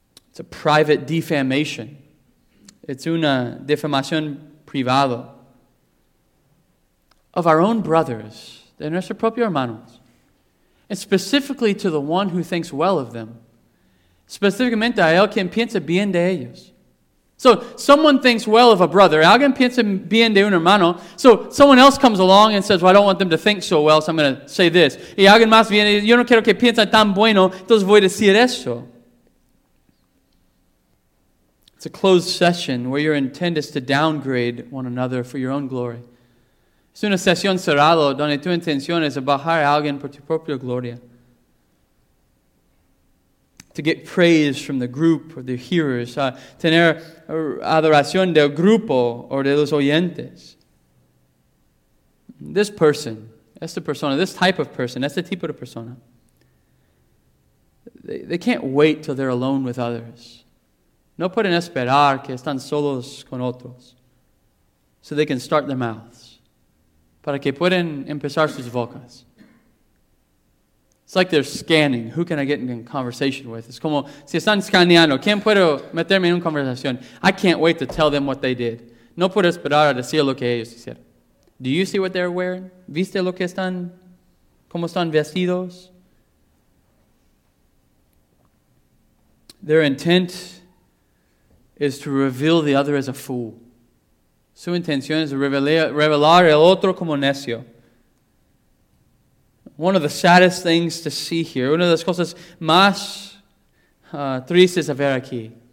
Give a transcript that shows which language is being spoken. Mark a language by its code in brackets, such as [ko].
[en] It's a private defamation. [es] It's una defamación privada. [en] Of our own brothers, [es] de nuestros propios hermanos. [en] And specifically to the one who thinks well of them. [es] Específicamente a él quien piensa bien de ellos. [en] So someone thinks well of a brother. [es] Alguien piensa bien de un hermano. [en] So someone else comes along and says, well, I don't want them to think so well, so I'm going to say this. [es] Y alguien más viene, yo no quiero que piensen tan bueno, entonces voy a decir eso. [en] It's a closed session where your intent is to downgrade one another for your own glory. [es] Es una sesión cerrada donde tu intención es bajar a alguien por tu propia gloria. [en] To get praise from the group or the hearers. [es] Tener adoración del grupo o de los oyentes. [en] This person, [es] esta persona, [en] this type of person, [es] este tipo de persona, [en] they can't wait till they're alone with others. [es] No pueden esperar que están solos con otros. [en] So they can start their mouths. [es] Para que puedan empezar sus bocas. [en] It's like they're scanning. Who can I get in conversation with? [es] It's como, si están escaneando, ¿quién puedo meterme en una conversación? [en] I can't wait to tell them what they did. [es] No puedo esperar a decir lo que ellos hicieron. [en] Do you see what they're wearing? [es] ¿Viste lo que están, cómo están vestidos? [en] Their intent is to reveal the other as a fool. [es] Su intención es revelar el otro como necio. [en] One of the saddest things to see here, [es] una de las cosas más tristes a ver aquí.